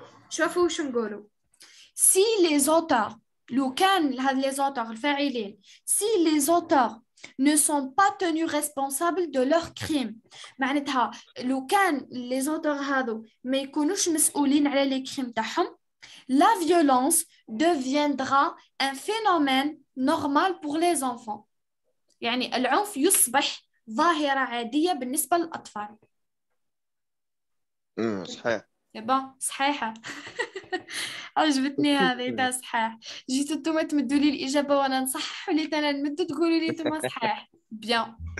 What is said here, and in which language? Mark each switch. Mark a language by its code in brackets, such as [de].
[ar] شوفوا واش نقولوا، سي لي زوتور، لو كان هاد لي زوتور الفاعلين، سي لي زوتور [fr] ne sont pas tenus responsables de leurs crimes. [ar] معناتها لو كان [fr] les auteurs [ar] هذو ما يكونوش مسؤولين على [fr] les crimes [ar] تاعهم، [fr] la violence deviendra un phénomène normal pour les enfants. [ar] يعني العنف يصبح ظاهرة عادية بالنسبة للأطفال. صحيح. يبا صحيحة. عجبتني هذه تاع صحيح، جيتو نتوما تمدوا لي الاجابه وانا نصحح لي انا نمدوا تقولوا لي نتوما صحيح بيان.